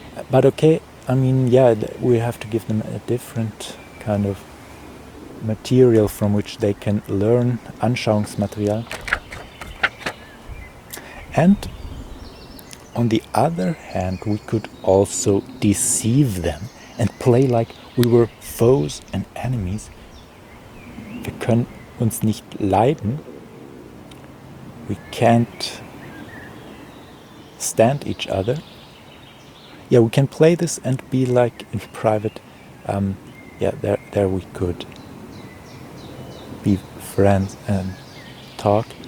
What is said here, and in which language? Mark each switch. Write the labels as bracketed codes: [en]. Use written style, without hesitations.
[en] But okay, I mean, yeah, we have to give them a different kind of material from which they can learn, Anschauungsmaterial. And on the other hand, we could also deceive them and play like we were foes and enemies. [de] Wir können uns nicht leiden. [en] We can't stand each other. Yeah, we can play this and be like in private. Yeah, there we could be friends and talk.